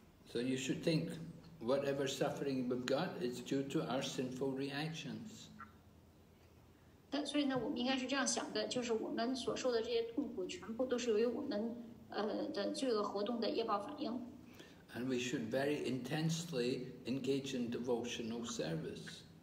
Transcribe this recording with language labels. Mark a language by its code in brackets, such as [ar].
[en] So you should think whatever suffering we've got is due to our sinful reactions. [zh] 但所以呢，我们应该是这样想的，就是我们所受的这些痛苦，全部都是由于我们的罪恶活动的业报反应。 [en] And we should very intensely engage in devotional service.